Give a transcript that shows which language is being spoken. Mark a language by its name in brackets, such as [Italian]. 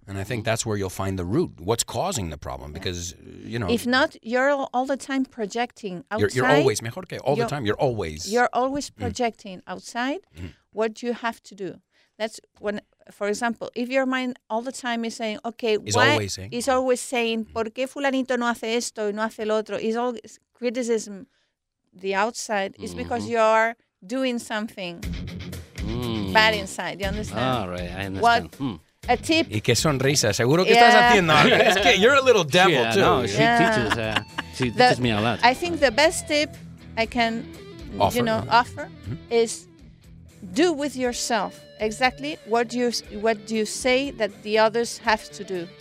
[English] And I think that's where you'll find the root, what's causing the problem. Because, you know. If not, you're all the time projecting outside. You're always, [Spanish] mejor que, [English] all the time, you're always. You're always projecting outside what you have to do. That's when, for example, if your mind all the time is saying, okay, is why? Always saying. Is always saying, [Spanish] ¿por qué fulanito no hace esto y no hace lo otro? [English] Is always criticism the outside. It's because you are doing something bad inside. You understand? All right, I understand. What? A tip. [Spanish] Y qué sonrisa. Seguro que estás haciendo algo. Es que [English] you're a little devil, too. No, she teaches me a lot. I think the best tip I can, offer is do with yourself exactly what you say that the others have to do.